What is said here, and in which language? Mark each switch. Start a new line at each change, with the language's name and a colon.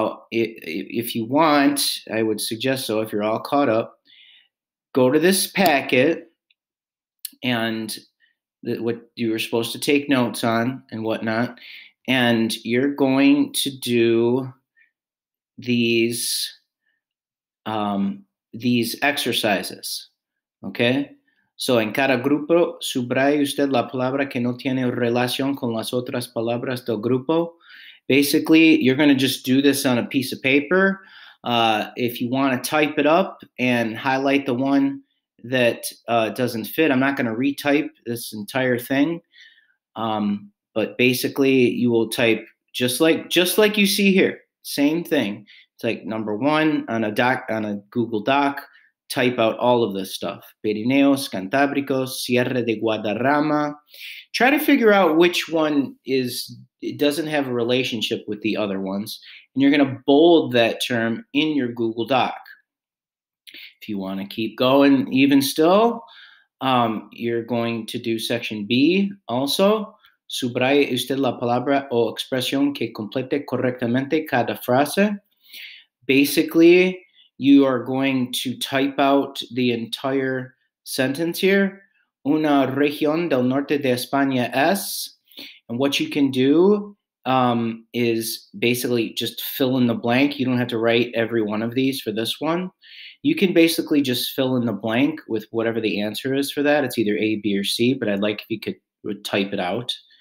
English: if you want, I would suggest so, if you're all caught up, go to this packet and what you were supposed to take notes on and whatnot, and you're going to do these exercises, okay?
Spanish: So en cada grupo, subraye usted la palabra que no tiene relación con las otras palabras del grupo.
English: Basically, you're going to just do this on a piece of paper. If you want to type it up and highlight the one that doesn't fit, I'm not going to retype this entire thing. But basically, you will type just like you see here. Same thing. It's like number one on a Google Doc. Type out all of this stuff.
Spanish: Pirineos, Cantábricos, Sierra de Guadarrama.
English: Try to figure out which one is, it doesn't have a relationship with the other ones. And you're going to bold that term in your Google Doc. If you want to keep going even still, you're going to do section B also.
Spanish: Subraye usted la palabra o expresión que complete correctamente cada frase.
English: Basically, you are going to type out the entire sentence here.
Spanish: Una región del norte de España es.
English: And what you can do is basically just fill in the blank. You don't have to write every one of these for this one. You can basically just fill in the blank with whatever the answer is for that. It's either A, B, or C, but I'd like if you could type it out.